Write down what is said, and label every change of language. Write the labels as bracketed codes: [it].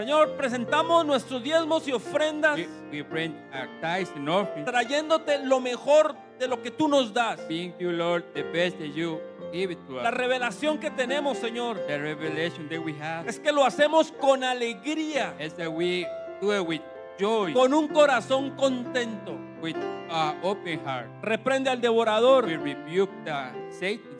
[es] Señor, presentamos nuestros diezmos y ofrendas. [en] We bring our tithes and offerings. [es] Trayéndote lo mejor de lo que tú nos das. [en] Bring you, Lord, the best that you give it to us. [es] La revelación que tenemos, Señor. [en] The revelation that we have. [es] Es que lo hacemos con alegría. [en] Is that we do it with joy. [es] Con un corazón contento. [en] With a open heart. [es] Reprende al devorador. [en] We rebuke the Satan.